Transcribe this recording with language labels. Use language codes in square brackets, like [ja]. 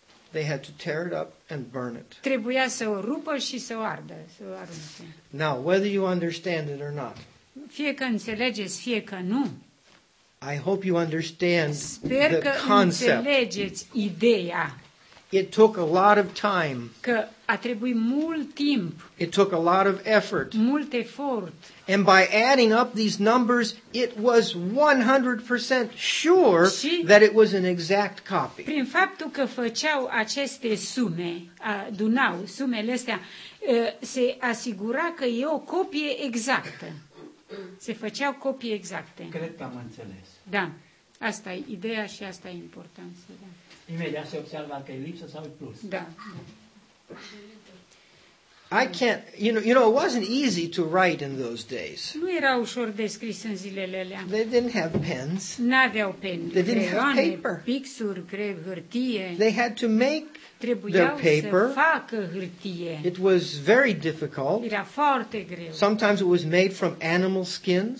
[en] they had to tear it up and burn it. [ro] Trebuia să o rupă și să o ardă, să o arunce. [en] Now, whether you understand it or not. [ro] Fie că înțelegeți, fie că nu. [en] I hope you understand the concept. [ro] Sper că înțelegeți ideea. [en] It took a lot of time. [ro] Că a trebuit mult timp. [en] It took a lot of effort. [ro] Mult efort. [en] And by adding up these numbers, it was 100% sure that it was an exact copy. [ro] Prin faptul că făceau aceste sume, adunau sumele astea, se asigura că e o copie exactă. Se făceau copii exacte. Cred că am înțeles. Da. Asta e ideea și asta e importanța. Da. Imediat se observă că e lipsă sau e plus. Da. [en] I can't, you know, it wasn't easy to write in those days. [ro] Nu era ușor de scris în zilele alea. [en] They didn't have pens. [ro] N-aveau pen. [en] They didn't have paper. [ro] Pixuri, greu, hârtie. [en] They had to make [ro] trebuiau [en] their paper. [ro] Să facă hârtie. [en] It was very difficult. [ro] Era foarte greu. [en] Sometimes it was made from animal skins.